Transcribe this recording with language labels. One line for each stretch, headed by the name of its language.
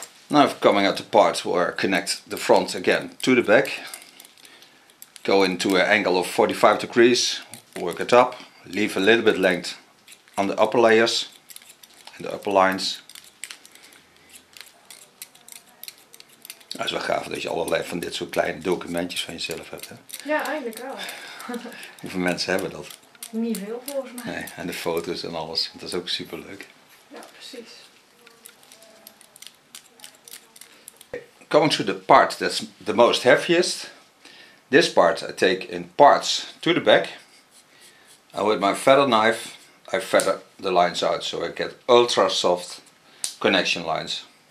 English: Now I'm coming at the part where I connect the front again to the back. Go into an angle of 45 degrees. Work it up, leave a little bit length on the upper layers and the upper lines.
Dutch: Het is wel gaaf dat je allerlei van dit soort kleine documentjes van jezelf hebt, hè? Ja, eigenlijk wel. Hoeveel mensen hebben dat? Niet veel volgens mij. Nee, en de foto's en alles, dat is ook super leuk. Ja, precies.
English: Coming to the part that's the most heaviest. This part I take in parts to the back. And with my feather knife, I feather the lines out, so I get ultra soft connection lines.